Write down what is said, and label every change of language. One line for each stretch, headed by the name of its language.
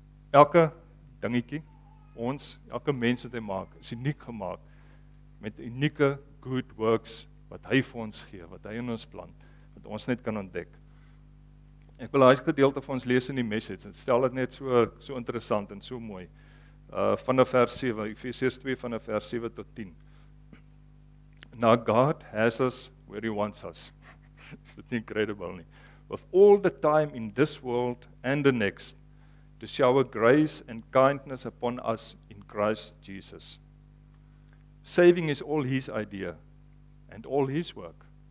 Afrikaans: Elke dingetjie, ons, elke mens wat hy maak, is uniek gemaakt, met unieke good works, wat hy vir ons gee, wat hy in ons plant, wat ons net kan ontdek. Ek wil een gedeelte van ons lees in die message, en stel het net so interessant en so mooi, vanaf vers 7, Efesiërs 2 vanaf vers 7 tot 10.
English: Now God has us where he wants us.
Afrikaans: Is dit nie incredible nie?
English: With all the time in this world and the next, to shower grace and kindness upon us in Christ Jesus. Saving is all his idea and all his work.